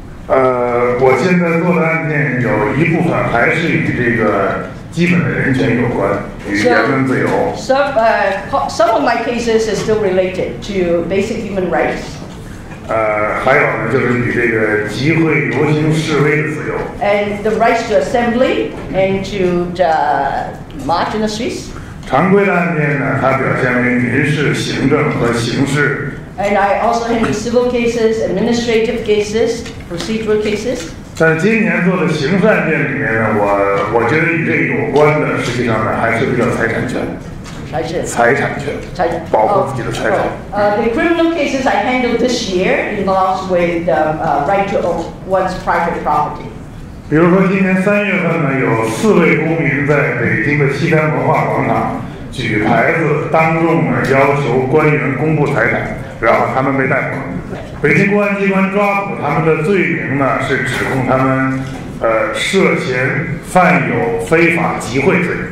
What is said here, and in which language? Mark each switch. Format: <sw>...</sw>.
<zh>我现在做的案件有一部分还是与这个基本的人权有关，与言论自由。</zh> <en>Some of my cases are still related to basic human rights.</en> <zh>还有呢，就是与这个集会、游行、示威的自由。</zh> <en>And the rights to assembly and to the march in the streets.</en> <zh>常规的案件呢，它表现为民事、行政和刑事。</zh> <en>And I also handle civil cases, administrative cases, procedural cases.</en> <zh>在今年做的刑事案件里面呢，我觉得与这有关的，实际上呢，还是比较财产权。财产权，保护自己的财产。</zh> <en>The criminal cases I handled this year involves with the right to own one's private property.</en> <zh>比如说今年3月份呢，有4位公民在北京的西单文化广场举牌子，当众呢要求官员公布财产。然后他们被逮捕了。北京公安机关抓捕他们的罪名呢，是指控他们，涉嫌犯有非法集会罪。</zh>